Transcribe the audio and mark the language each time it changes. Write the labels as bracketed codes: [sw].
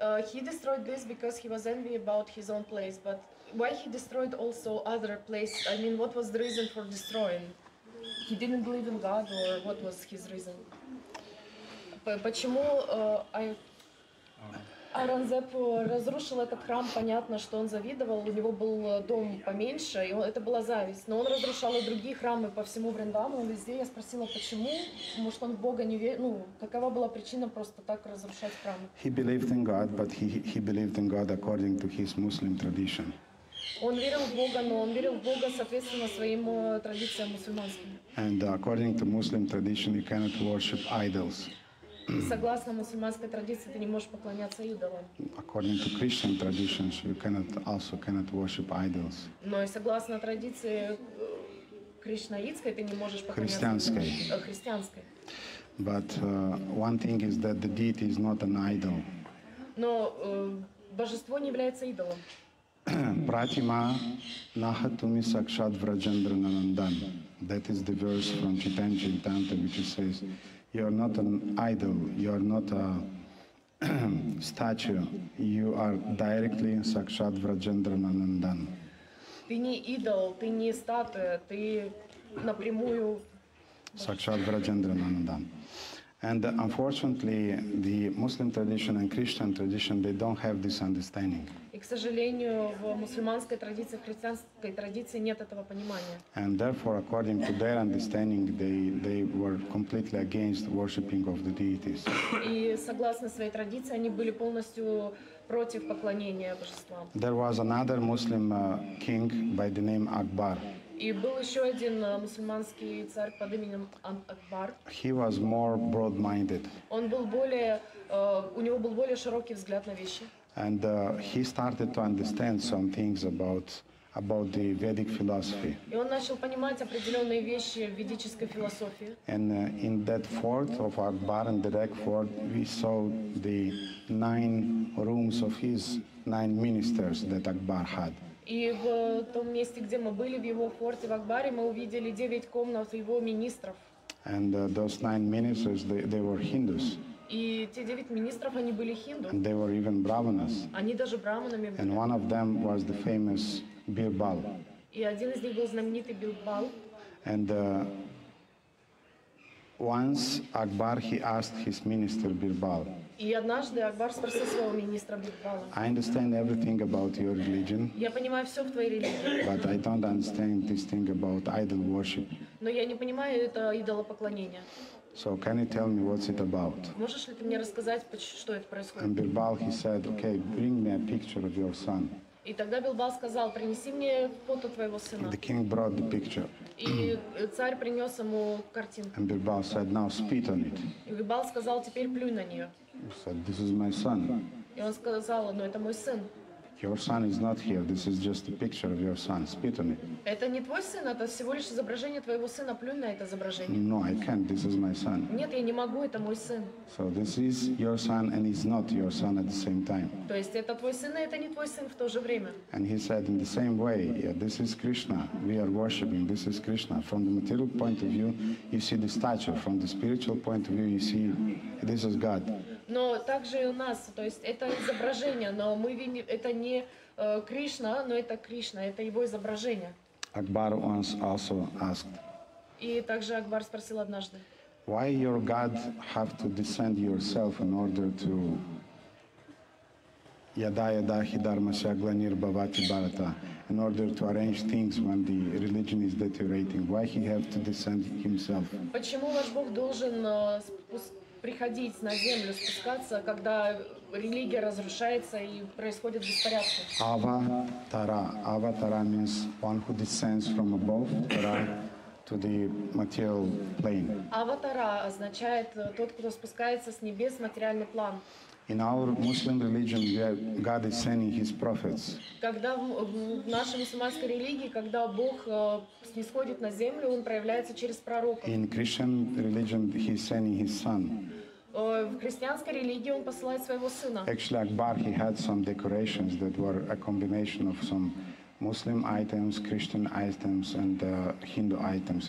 [en] He destroyed this because he was envy about his own place. But why he destroyed also other place? I mean, what was the reason for destroying? He didn't believe in God, or what was his reason? [ru] Почему Аурангзеб разрушил этот храм, понятно, что он завидовал, у него был дом поменьше, и это была зависть. Но он разрушал и другие храмы по всему Вриндаву, и везде я спросила, почему, может, он в Бога не верил, какова была причина просто так разрушать храмы? [en] He believed in God, but he believed in God according to his Muslim tradition. [ru] Он верил в Бога, но он верил в Бога, соответственно, своим традициям мусульманским. [en] And according to Muslim tradition, you cannot worship idols. [ru] Согласно мусульманской традиции, ты не можешь поклоняться идолам. [en] According to Christian traditions, you cannot worship idols. [ru] Но и согласно традиции кришнаитской, ты не можешь поклоняться христианской. [en] But one thing is that the deity is not an idol. [ru] Но божество не является идолом. [bn] Pratima nahatumi sakshat vrajendra nanandan. [en] That is the verse from Chaitanya Charitamrita, which says, you are not an idol, you are not a statue, you are directly Sakshat Vrajendra Nanandan. [ru] Ты не идол, ты не статуя, ты напрямую... [bn] Sakshat Vrajendra Nanandan. [en] And unfortunately, the Muslim tradition and Christian tradition, they don't have this understanding. [ru] И, к сожалению, в мусульманской традиции, в христианской традиции нет этого понимания. [en] And therefore, according to their understanding, they were completely against worshiping of the deities. [ru] И согласно своей традиции, они были полностью против поклонения божествам. [en] There was another Muslim king by the name Akbar. [ru] И был еще один мусульманский царь под именем Акбар. [en] He was more broad-minded. [ru] Он был более, у него был более широкий взгляд на вещи. [en] And he started to understand some things about the Vedic philosophy. [ru] И он начал понимать определенные вещи в ведической философии. [en] And in that fort of Akbar, in the Red Fort, we saw the nine rooms of his nine ministers that Akbar had. [ru] И в том месте, где мы были, в его форте в Акбаре, мы увидели 9 комнат его министров. [en] And those nine ministers, they were Hindus. [ru] И те девять министров, они были хинду. [en] And they were even brahmanas. [ru] Они даже брахманами были. [en] And one of them was the famous Birbal. [ru] И один из них был знаменитый Бирбал. [en] And once Akbar, he asked his minister Birbal. [ru] И однажды Акбар спросил своего министра Бирбала. [en] I understand everything about your religion. [ru] Я понимаю все в твоей религии. [en] But I don't understand this thing about idol worship. [ru] Но я не понимаю это идолопоклонение. [en] So can you tell me what's it about? [ru] Можешь ли ты мне рассказать, что это происходит? [en] And Birbal, he said, okay, bring me a picture of your son. [ru] И тогда Бирбал сказал, принеси мне фото твоего сына. [en] And the king brought the picture. [ru] И царь принес ему картинку. [en] And Birbal said, now spit on it. [ru] И Бирбал сказал, теперь плюй на нее. [en] He said, this is my son. [ru] И он сказал, но это мой сын. [en] Your son is not here. This is just a picture of your son. Spit on it. [ru] Это не твой сын, это всего лишь изображение твоего сына. Плюнь на это изображение. [en] No, I can't. This is my son. [ru] Нет, я не могу. Это мой сын. [en] So this is your son and he's not your son at the same time. [ru] То есть это твой сын, и это не твой сын в то же время. [en] And he said in the same way, yeah, this is Krishna. We are worshiping. This is Krishna. From the material point of view, you see the statue. From the spiritual point of view, you see this is God. [ru] Но также и у нас, то есть это изображение, но мы видим, это не Кришна, но это Кришна, это его изображение. [en] Akbar once also asked. [ru] И также Акбар спросил однажды. [en] Why your God have to descend yourself in order to [sa] yada yada hidharma shaglanir bhavati bharata [en] in order to arrange things when the religion is deteriorating? Why he have to descend himself? [ru] Почему ваш Бог должен приходить на землю, спускаться, когда религия разрушается и происходит беспорядки. [en] Аватара. Аватара means one who descends from above, tara, to the material plane. [ru] Аватара означает тот, кто спускается с небес в материальный план. [en] In our Muslim religion, God is sending his prophets. [ru] Когда в нашей мусульманской религии, когда Бог снисходит на землю, он проявляется через пророков. [en] In Christian religion, he's sending his son. [ru] В христианской религии он посылает своего сына. [en] Actually, Akbar, he had some decorations that were a combination of some Muslim items, Christian items, and Hindu items.